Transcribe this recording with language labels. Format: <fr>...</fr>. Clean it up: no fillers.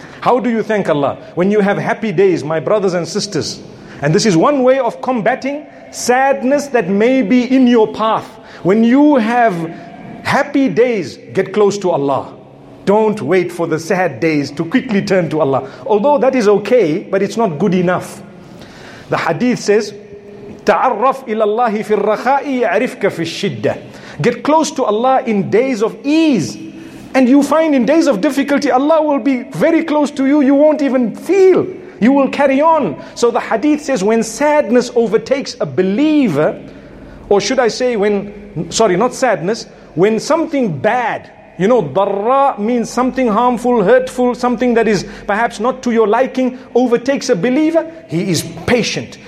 <en>How do you thank Allah? When you have happy days, my brothers and sisters, and this is one way of combating sadness that may be in your path. When you have happy days, get close to Allah. Don't wait for the sad days to quickly turn to Allah. Although that is okay, but it's not good enough. The hadith says,</en> <ar>تعرف إلى الله في الرخاء يعرفك في الشدة.</ar> <en>Get close to Allah in days of ease. And you find in days of difficulty, Allah will be very close to you. You won't even feel. You will carry on. So the hadith says, when sadness overtakes a believer, or should I say when, sorry, not sadness, when something bad, you know, darra means something harmful, hurtful, something that is perhaps not to your liking, overtakes a believer, he is patient.</en>